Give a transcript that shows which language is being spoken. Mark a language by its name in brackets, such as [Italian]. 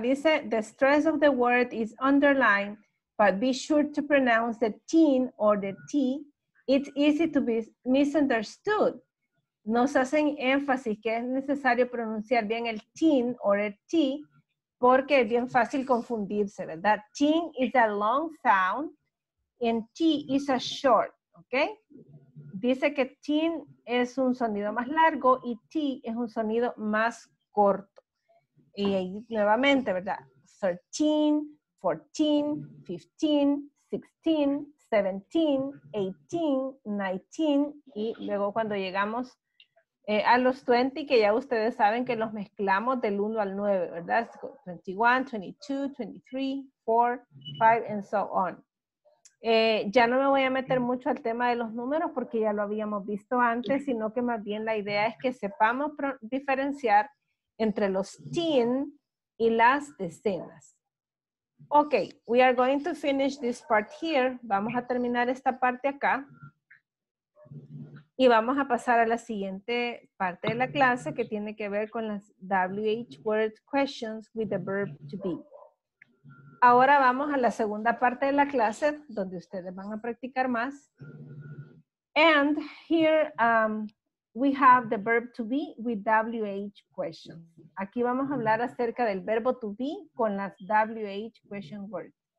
[English] Dice, the stress of the word is underlined, but be sure to pronounce the teen or the T. It's easy to be misunderstood. [Spanish] Nos hacen énfasis que es necesario pronunciar bien el teen or el T, porque es bien fácil confundirse, ¿verdad? [English] Teen is a long sound and T is a short, ¿ok? [Spanish] Dice que teen es un sonido más largo y T es un sonido más corto. Y ahí nuevamente, ¿verdad? 13, 14, 15, 16, 17, 18, 19 y luego cuando llegamos a los 20, que ya ustedes saben que los mezclamos del 1 al 9, ¿verdad? [English] 21, 22, 23, 4, 5, and so on. [Spanish] Ya no me voy a meter mucho al tema de los números porque ya lo habíamos visto antes, sino que más bien la idea es que sepamos diferenciar entre los teen y las decenas. [English] Ok, we are going to finish this part here. [Spanish] Vamos a terminar esta parte acá. Y vamos a pasar a la siguiente parte de la clase que tiene que ver con las WH word questions with the verb to be. Ahora vamos a la segunda parte de la clase donde ustedes van a practicar más. [English] And here we have the verb to be with WH questions. [Spanish] Aquí vamos a hablar acerca del verbo to be con las WH question words.